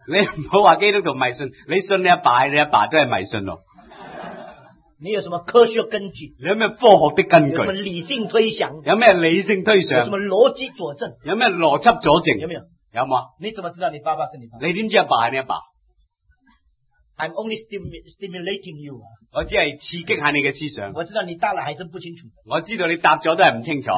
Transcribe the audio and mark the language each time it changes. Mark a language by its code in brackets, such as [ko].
[zh] 你不要说基督徒迷信，你信你爸你爸真的迷信了。你有什么科学根据？你有什么科学的根据？有什么理性推想？有什么理性推想？有什么逻辑佐证？有什么逻辑佐证？有没有？有吗？你怎么知道你爸爸是你爸爸？你怎知道爸是你爸？ [en] I'm only stimulating you. [zh] 我只是刺激下你的思想。我知道你答了还是不清楚。我知道你答了都是不清楚。